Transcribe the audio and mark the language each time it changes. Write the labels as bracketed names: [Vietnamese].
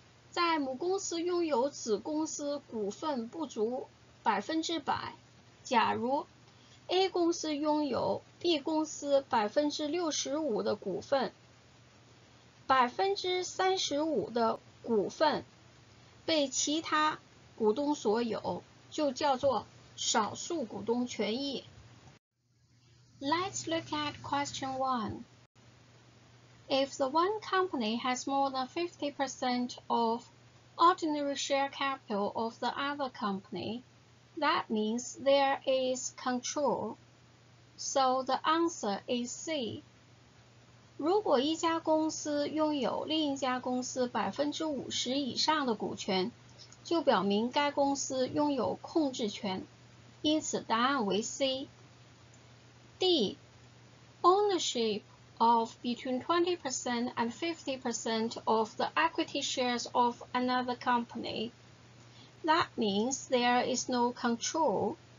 [Chinese] 在母公司拥有子公司股份不足100%，假如 A 公司拥有 B 公司65%的股份，35%的股份被其他股东所有，就叫做少数股东权益。 [English] Let's look at question 1. If the one company has more than 50% of ordinary share capital of the other company, that means there is control. So the answer is C. [Chinese] 如果一家公司拥有另一家公司 50% 以上的股权，就表明该公司拥有控制权，因此答案为 C. [English] D. Ownership of between 20% and 50% of the equity shares of another company. That means there is no control.